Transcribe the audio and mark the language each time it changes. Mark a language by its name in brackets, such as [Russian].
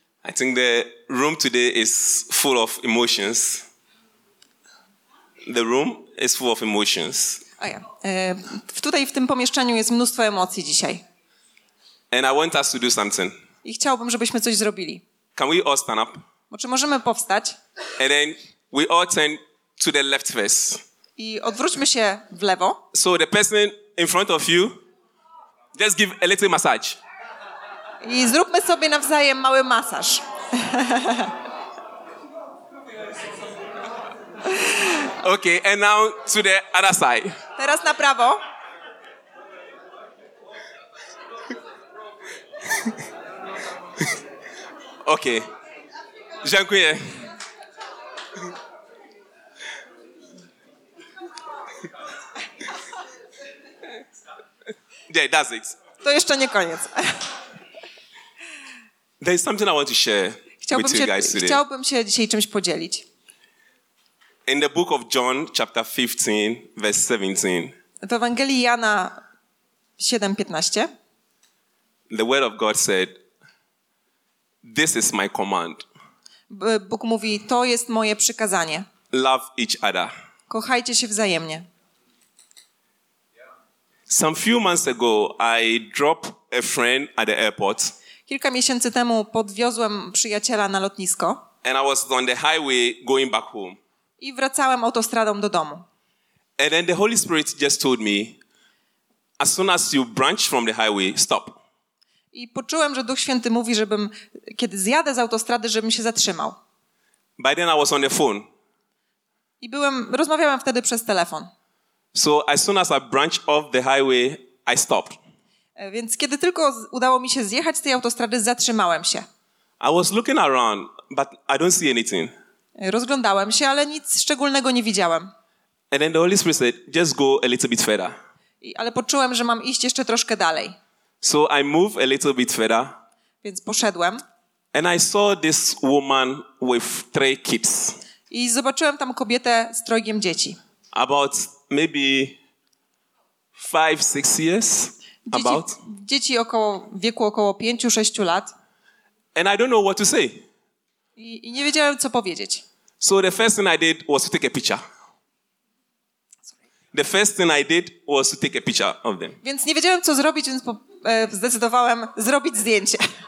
[English] I think the room today is full of emotions. The room is full of emotions. Oh yeah. [Polish] Tutaj w tym pomieszczeniu jest mnóstwo emocji dzisiaj. [English] And I want us to do something. [Polish] I chciałbym, żebyśmy coś zrobili. [English] Can we all stand up? [Polish] Czy możemy powstać? [English] And then we all turn to the left face. [Polish] I odwróćmy się w lewo. [English] So the person in front of you, just give a little massage. [Polish] I zróbmy sobie nawzajem mały masaż. [English] Okay, and now to the other side. [Polish] Teraz na prawo. Okay. Dziękuję. [English] Yeah, that's it. [Polish] To jeszcze nie koniec. [English] There's something I want to share with you guys today. [Polish] Chciałbym się dzisiaj czymś podzielić. [English] In the book of John, chapter 15, verse 17. [Polish] W Ewangelii Jana 7:15. [English] The word of God said, "This is my command." [Polish] Bóg mówi, to jest moje przykazanie. [English] Love each other. [Polish] Kochajcie się wzajemnie. [English] Some few months ago, I dropped a friend at the airport. [Polish] Kilka miesięcy temu podwiozłem przyjaciela na lotnisko. [English] And I was on the highway going back home. [Polish] I wracałem autostradą do domu. [English] And then the Holy Spirit just told me, as soon as you branch from the highway, stop. [Polish] I poczułem, że Duch Święty mówi, żebym, kiedy zjadę z autostrady, żebym się zatrzymał. [English] By then I was on the phone. [Polish] I byłem, rozmawiałem wtedy przez telefon. [English] So as soon as I branched off the highway, I stopped. [Polish] Więc kiedy tylko udało mi się zjechać z tej autostrady, zatrzymałem się. [English] I was looking around, but I don't see anything. [Polish] Rozglądałem się, ale nic szczególnego nie widziałem. [English] And then the Holy Spirit said, just go a little bit further. [Polish] Ale poczułem, że mam iść jeszcze troszkę dalej. [English] So I moved a little bit further. [Polish] Więc poszedłem. [English] And I saw this woman with three kids. [Polish] I zobaczyłem tam kobietę z trojgiem dzieci. [English] About maybe 5-6 years. [Polish] Dzieci około wieku około 5-6 lat. [English] And I don't know what to say. [Polish] I nie wiedziałem co powiedzieć. [English] So the first thing I did was to take a picture. The first thing I did was to take a picture of them. [Polish] Więc nie wiedziałem co zrobić, więc zdecydowałem zrobić zdjęcie.